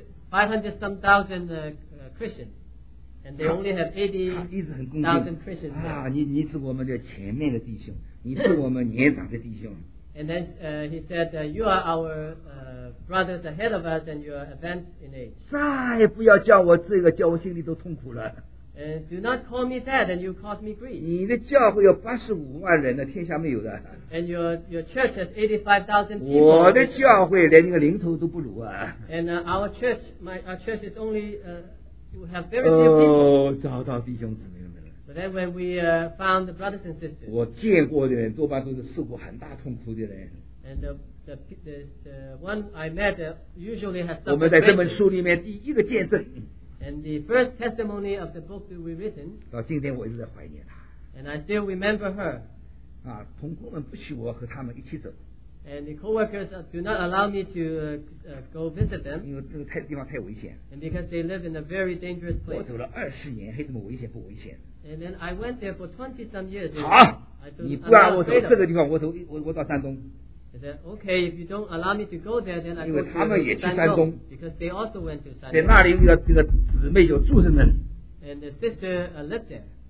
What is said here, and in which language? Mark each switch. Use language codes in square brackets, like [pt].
[en] 500 some thousand Christians, and they only have 80,000 Christians. [zh] 啊，你是我们的前面的弟兄，你是我们年长的弟兄。 [en] And then he said, "You are our brothers ahead of us, and you are advanced in age." [zh] 再不要叫我这个，叫我心里都痛苦了。 [en] Do not call me that, and you cause me grief. [zh] 你的教会有八十五万人的，天下没有的。 [en] And your church has 85,000 people. [zh] 我的教会连一个零头都不如啊。 [en] And our church is only have very few people. [zh] 哦，找到弟兄姊妹们了。 [en] But then when we found the brothers and sisters. [zh] 我见过的人多半都是受过很大痛苦的人。 [en] And the one I met usually has suffered. [zh] 我们在这本书里面第一个见证。 [en] And the first testimony of the book that we written. [zh] 到今天我一直在怀念她。 [en] And I still remember her. [zh] 啊，同工们不许我和他们一起走。 [en] And the co-workers do not allow me to go visit them. [zh] 因为这个太地方太危险。 [en] And because they live in a very dangerous place. [zh] 我走了二十年，还这么危险不危险 [en] ？And then I went there for 20 some years. [zh] 好，你不让我走这个地方，我到山东。 [en] I said, okay, if you don't allow me to go there, then I go to Shandong. Because they also went to Shandong. And the sister lived there.